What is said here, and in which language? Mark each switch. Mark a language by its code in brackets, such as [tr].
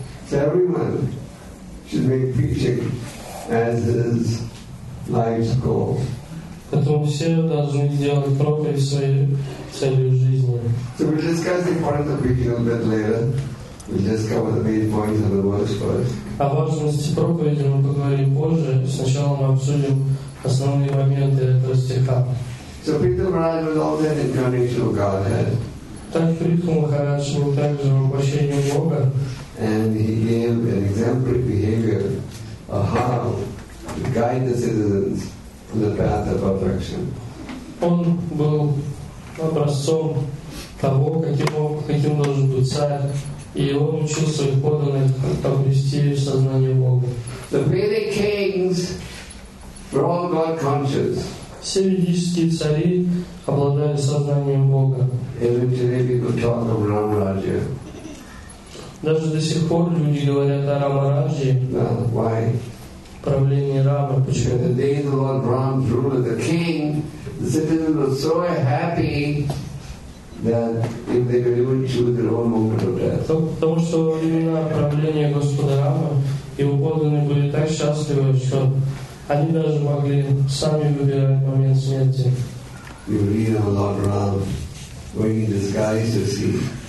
[en] So everyone should make preaching as his life's goal. [ru] Поэтому все должны сделать проповедь своей целью жизни. [en] So we'll discuss the importance of preaching a bit later. We'll just cover the main points of the verse first. [ru] О важности проповеди мы поговорим позже. Сначала мы обсудим основные моменты этого стиха. [en] So Prithu Maharaj was all that incarnation of Godhead. [ru] Так Prithu Maharaj был также воплощением Бога. [en] And he gave an exemplary behavior of how to guide the citizens the path of perfection. [ru] Он был образцом того, каким должен быть царь, и он учил своих подданных обрести сознание Бога. [en] The Vedic kings were all God conscious. [ru] Все ведические цари обладали сознанием Бога. [en] Even today people talk of Ram Rajya. [ru] Даже до сих пор люди говорят о Рамараджи. [en] Why? [ru] Правление Рама, почему? [en] The day the Lord Ram's ruler, the king, the citizens were so happy that if they could even choose their own moment of death. [ru] Потому что во времена правления Господа Рама его подданные были так счастливы, что они даже могли сами выбирать момент смерти. [en] You read of Lord Ram going in disguise to see